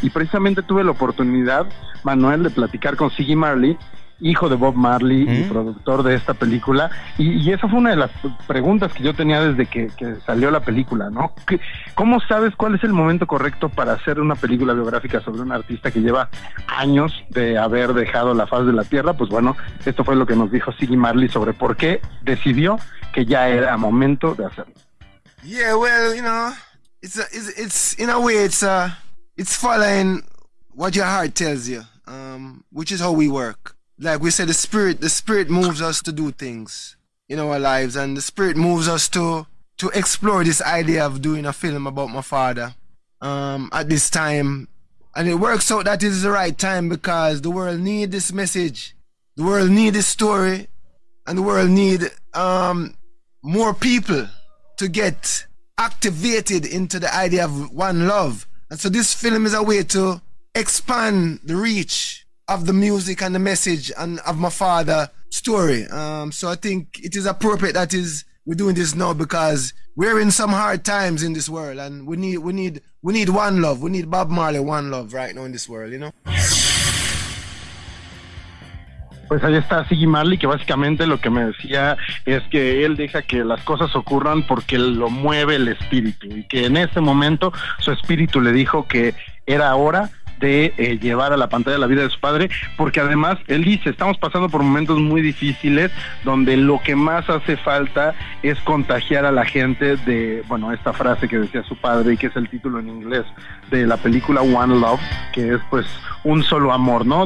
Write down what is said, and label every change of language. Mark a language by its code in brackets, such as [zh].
[es] Y precisamente tuve la oportunidad, Manuel, de platicar con Ziggy Marley, hijo de Bob Marley, y productor de esta película, y esa fue una de las preguntas que yo tenía desde que salió la película, ¿no? ¿Cómo sabes cuál es el momento correcto para hacer una película biográfica sobre un artista que lleva años de haber dejado la faz de la tierra? Pues bueno, esto fue lo que nos dijo Ziggy Marley sobre por qué decidió que ya era momento de hacerlo. [en] Yeah, well, you know, it's in a way it's following what your heart tells you, which is how we work. Like we said, the spirit moves us to do things in our lives, and the spirit moves us to explore this idea of doing a film about my father at this time. And it works out that it's the right time because the world need this message, the world need this story, and the world need more people to get activated into the idea of one love. And so this film is a way to expand the reach of the music and the message and of my father's story. So I think it is appropriate that is we're doing this now because we're in some hard times in this world, and we need one love. We need Bob Marley one love right now in this world, you know? [es] Pues ahí está Ziggy Marley, que básicamente lo que me decía es que él deja que las cosas ocurran porque lo mueve el espíritu, y que en ese momento su espíritu le dijo que era hora de llevar a la pantalla la vida de su padre, porque además él dice: estamos pasando por momentos muy difíciles donde lo que más hace falta es contagiar a la gente de, bueno, esta frase que decía su padre y que es el título en inglés de la película One Love, que es pues un solo amor, ¿no?